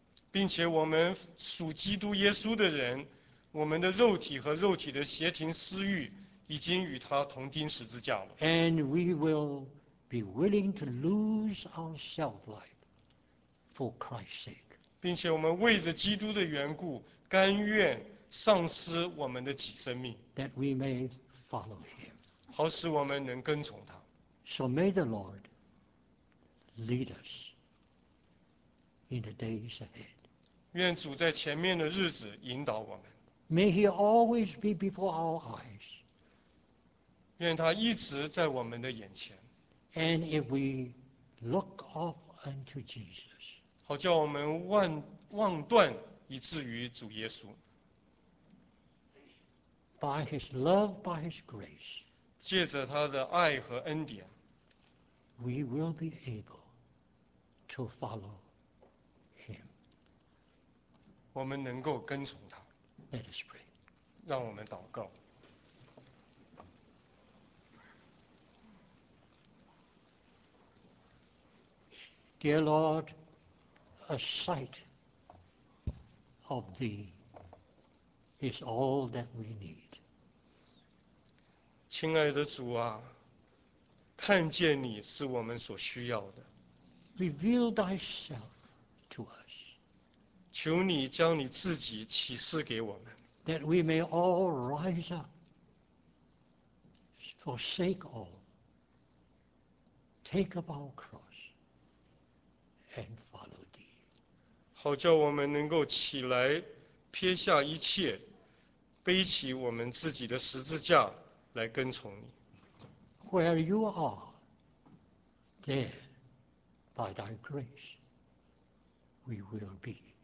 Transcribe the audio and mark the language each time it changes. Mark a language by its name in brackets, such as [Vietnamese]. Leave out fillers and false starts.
[Chinese] 并且我们属基督耶稣的人，我们的肉体和肉体的邪情私欲已经与他同钉十字架了。 [English] And we will be willing to lose our self-life for Christ's sake. [Chinese] 并且我们为着基督的缘故，甘愿丧失我们的己生命。 [English] That we may follow him. [Chinese] 好使我们能跟从他。 [English] So may the Lord. Lead us in the days ahead. [Chinese] 愿主在前面的日子引导我们。 [English] May He always be before our eyes. [Chinese] 愿他一直在我们的眼前。 [English] And if we look off unto Jesus, [Chinese] 好叫我们望断以至于主耶稣。 [English] By His love, by His grace, [Chinese] 借着他的爱和恩典 [English] ，we will be able. To follow him. [Chinese] 我们能够跟从他。 [English] Let us pray. [Chinese] 让我们祷告。 [English] Dear Lord, a sight of thee is all that we need. [Chinese] 亲爱的主啊，看见你是我们所需要的。 [English] Reveal thyself to us. [Chinese] 求你将你自己启示给我们。 [English] That we may all rise up, forsake all, take up our cross, and follow thee. [Chinese] 好叫我们能够起来，撇下一切，背起我们自己的十字架来跟从你。 [English] Where you are, there. By thy grace, we will be.